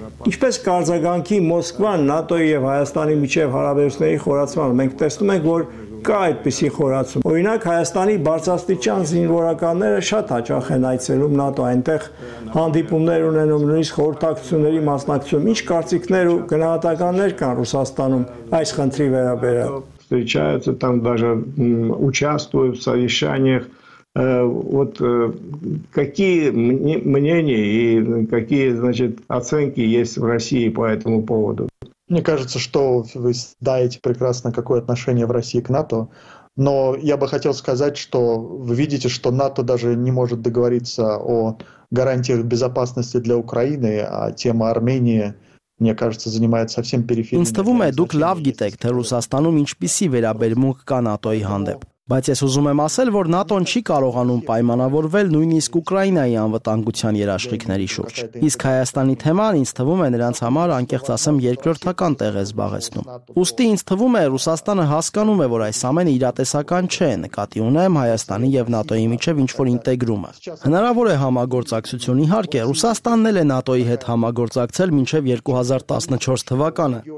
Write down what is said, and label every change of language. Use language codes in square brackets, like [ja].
[hy] Ինչպես կարձագանքի Մոսկվան ՆԱՏՕ-ի և Հայաստանի միջև հարաբերությունների խորացմանը, մենք տեսնում ենք, որ կա այդպիսի խորացում։ Օրինակ, Հայաստանի բարձրաստիճան զինվորականները շատ հաճախ են այցելում ՆԱՏՕ, այնտեղ հանդիպումներ ունենում, նույնիսկ խորհրդակցությունների մասնակցում։ Ինչ կարծիքներ ու գնահատականներ կան Ռուսաստանում այս խնդրի վերաբերյալ։ [ru] Встречаются там даже участвуют в совещаниях. Вот какие мнения и какие, значит, оценки есть в России по этому поводу? Мне кажется, что вы знаете прекрасно, какое отношение в России к НАТО. Но я бы хотел сказать, что вы видите, что НАТО даже не может договориться о гарантиях безопасности для Украины, а тема Армении, мне кажется, занимает совсем периферийное значение. [hy] Ինձ թվում է, դուք լավ գիտեք, թե Ռուսաստանում ինչպիսի վերաբերմունք կա ՆԱՏՕ-ի հանդեպ։ Բայց ես ուզում եմ ասել, որ ՆԱՏՕ-ն չի կարողանում պայմանավորվել նույնիսկ Ուկրաինայի անվտանգության երաշխիքների շուրջ։ Իսկ Հայաստանի թեման ինձ թվում է նրանց համար անկեղծ ասեմ երկրորդական տեղ է զբաղեցնում։ Ուստի ինձ թվում է, Ռուսաստանը հասկանում է, որ այս ամենը իրատեսական չէ, նկատի ունեմ Հայաստանի և ՆԱՏՕ-ի միջև ինչ-որ ինտեգրումը։ Հնարավոր է համագործակցություն, իհարկե, Ռուսաստանն էլ է ՆԱՏՕ-ի հետ համագործակցել մինչև 2014 թվականը,